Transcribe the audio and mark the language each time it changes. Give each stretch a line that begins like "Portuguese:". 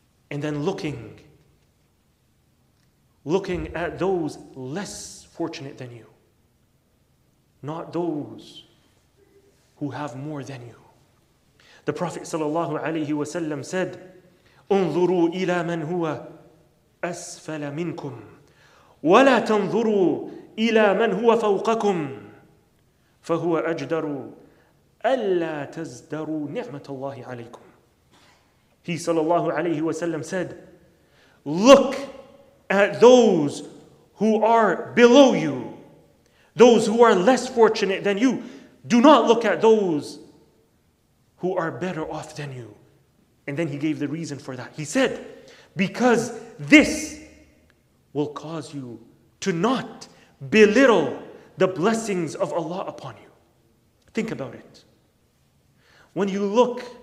English: And then looking at those less fortunate than you, not those who have more than you. The Prophet sallallahu alayhi wa sallam said,
Arabic: انظروا إلى من هو أسفل منكم وَلَا تَنْظُرُوا إِلَى مَنْ هُوَ فَوْقَكُمْ فَهُوَ أَجْدَرُ أَلَّا تَزْدَرُوا نِعْمَةَ اللَّهِ عَلَيْكُمْ.
English: He sallallahu alayhi wa sallam said, look at those who are below you, those who are less fortunate than you. Do not look at those who are better off than you. And then he gave the reason for that. He said, because this will cause you to not belittle the blessings of Allah upon you. Think about it. When you look